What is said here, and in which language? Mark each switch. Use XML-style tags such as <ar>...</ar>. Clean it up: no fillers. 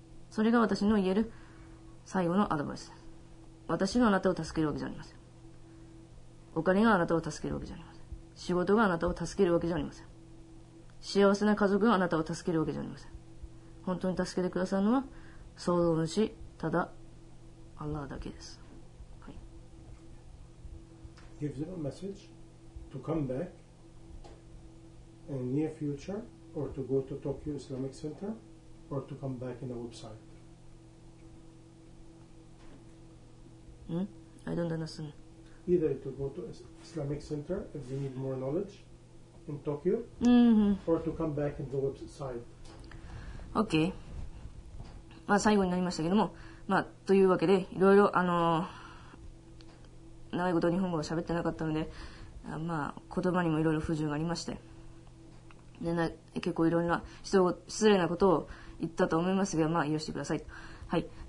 <ja>それが私の言える最後のアドバイスです。私があなたを助けるわけじゃありません。お金があなたを助けるわけじゃありません。仕事があなたを助けるわけじゃありません。幸せな家族があなたを助けるわけじゃありません。本当に助けてくださるのは創造主、ただアッラーだけです。はい。</ja> <en>Give them a message to come back in near future, or to go to Tokyo Islamic Center, or to come back in the website. I don't understand. Either to go to Islamic Center if they need more knowledeIn Tokyo, or to come back in the website. Okay.</en> <ja>まあ最後になりましたけども、まあというわけでいろいろ長いこと日本語を喋ってなかったので、まあ言葉にもいろいろ不自由がありまして、で結構いろんな失礼なことを言ったと思いますが、まあ許してください。はい。</ja>